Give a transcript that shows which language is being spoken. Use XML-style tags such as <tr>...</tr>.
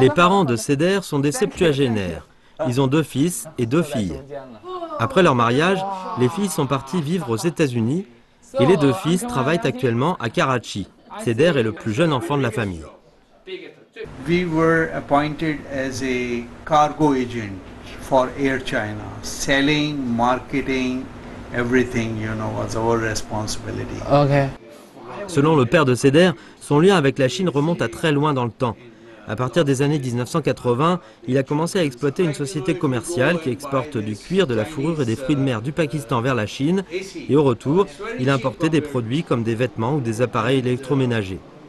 <fr>Les parents de Seder sont des septuagénaires. Ils ont deux fils et deux filles. Après leur mariage, les filles sont parties vivre aux États-Unis et les deux fils travaillent actuellement à Karachi. Seder est le plus jeune enfant de la famille.</fr> <en>We were appointed as a cargo agent. For Air China, selling, marketing, everything, you know, was our responsibility. Okay.</en> <fr>Selon le père de Seder, son lien avec la Chine remonte à très loin dans le temps. À partir des années 1980, il a commencé à exploiter une société commerciale qui exporte du cuir, de la fourrure et des fruits de mer du Pakistan vers la Chine. Et au retour, il importait des produits comme des vêtements ou des appareils électroménagers.</fr>